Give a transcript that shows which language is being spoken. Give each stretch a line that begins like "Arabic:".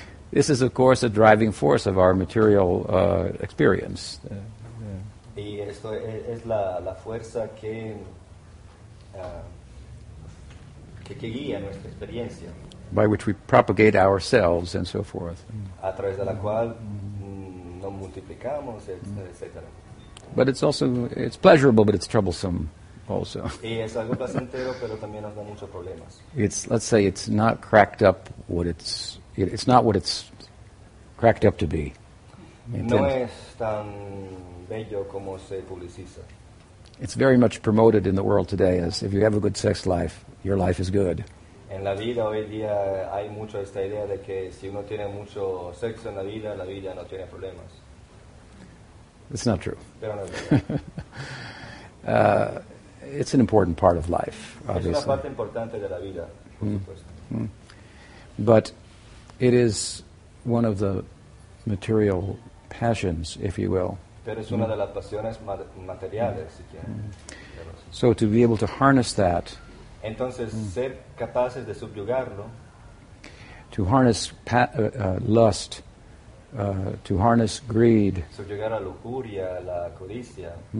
English: This is, of course, a driving force of our material experience.
Spanish: Y esto es la fuerza que... que guía nuestra experiencia.
English: By which we propagate ourselves and so forth.
Spanish: A través de la cual nos multiplicamos, etc.
English: But it's pleasurable, but it's troublesome also.
Spanish: Y es algo placentero, pero también nos da muchos problemas.
English: Let's say it's not cracked up what it's not what it's cracked up to be.
Spanish: No es tan bello como se publiciza.
English: It's very much promoted in the world today as if you have a good sex life, your life is good.
Spanish: En la vida hoy día hay mucho esta idea de que si uno tiene mucho sexo en la vida no tiene problemas.
English: It's not true.
Spanish: Pero no es verdad.
English: It's an important part of life, obviously.
Spanish: Es una parte importante de la vida, por supuesto.
English: But It is one of the material passions, if you will.
Spanish: Pero es una de las pasiones materiales, si quieres.
English: So to be able to harness that.
Spanish: Entonces, ser capaces de subyugarlo.
English: To harness lust. To harness greed.
Spanish: Subyugar la lujuria, la codicia.